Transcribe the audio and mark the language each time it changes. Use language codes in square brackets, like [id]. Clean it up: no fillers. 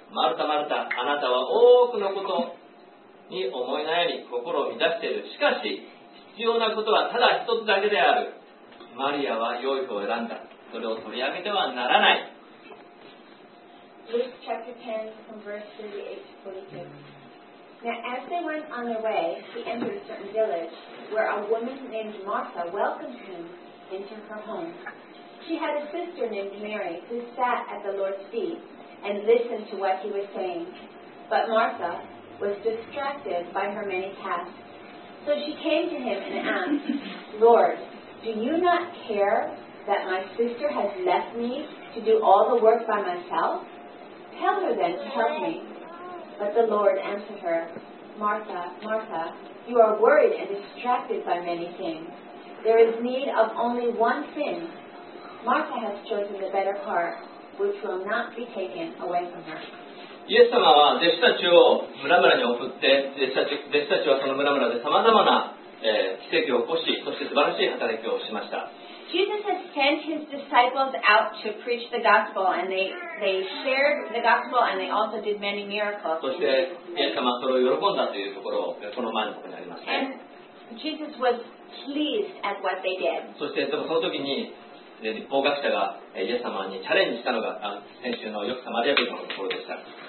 [ja] マルタ、マルタ、あなたは多くのことに思い悩み、心を乱している。しかし、必要なことはただ一つだけである。マリアは良い方を選んだ。それを取り上げてはならない。 [en] Luke chapter 10, from verse 38 to 42. Now, as they went on their way, he entered a certain village where a woman named Martha welcomed him into her home. She had a sister named Mary who sat at the Lord's feet and listened to what he was saying. But Martha was distracted by her many tasks. So she came to him and asked, Lord, do you not care that my sister has left me to do all the work by myself? Tell her then to help me. But the Lord answered her, Martha, Martha, you are worried and distracted by many things. There is need of only one thing. Martha has chosen the better part. [ja] イエス様は弟子たちを村々に送って弟子たちはその村々でさまざまな、奇跡を起こしそして素晴らしい働きをしました。 [en] Jesus has sent his disciples out to preach the gospel and they shared the gospel and they also did many miracles. [ja] そしてイエス様はそれを喜んだというところをこの前のところにありますね。 [en] And Jesus was pleased at what they did. [ja] そしてでもその時に立法学者がイエス様にチャレンジしたのが先週のよくサマリア人のところでした。